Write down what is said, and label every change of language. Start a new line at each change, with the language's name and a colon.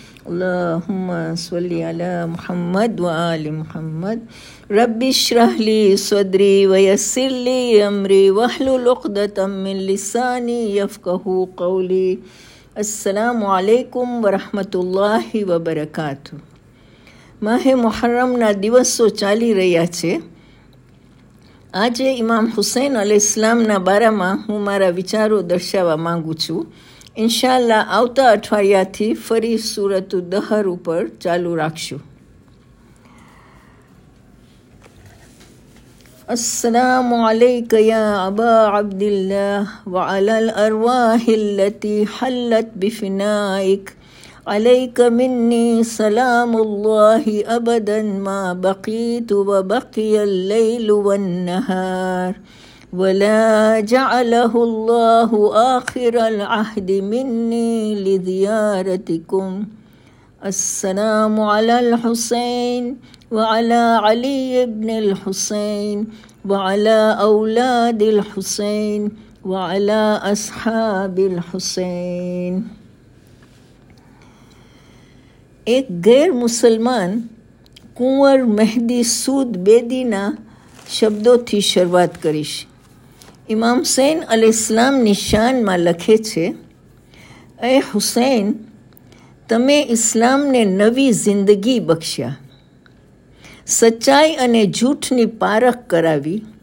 Arabic: اللهم صل على محمد وآل محمد. رب اشرح لي صدري ويسر لي أمري واحلل عقدة من لساني يفقهوا قولي. السلام عليكم ورحمة الله وبركاته.
Gujarati: માહે મુહર્રમના દિવસો ચાલી રહ્યા છે. આજે ઇમામ હુસૈન અલૈહિસ્સલામના બારામાં હું મારા વિચારો દર્શાવવા માગું છું. ઇન્શાલ્લાહ આવતા અઠવાડિયાથી ફરી સૂરતુ દહર ઉપર ચાલુ રાખશું.
Arabic: અસ્સલામુ અલયક યા અબા અબ્દુલ્લાહ વઅલલ અરવાહિલ્લતી હલ્લત બિફનાઇક. عليك مني سلام الله ابدا ما بقيت وبقي الليل والنهار ولا جعله الله اخر العهد مني لزيارتكم. السلام على الحسين وعلى علي ابن الحسين وعلى اولاد الحسين وعلى اصحاب الحسين.
Gujarati: એક ગેર મુસલમાન કુંવર મહેદી સૂદ બેદીના શબ્દોથી શરૂઆત કરીશ. ઇમામ હુસૈન અલૈહિસ્સલામ નિશાનમાં લખે છે, એ હુસૈન, તમે ઇસ્લામને નવી જિંદગી બક્ષ્યા, સચ્ચાઈ અને જૂઠની પારખ કરાવી.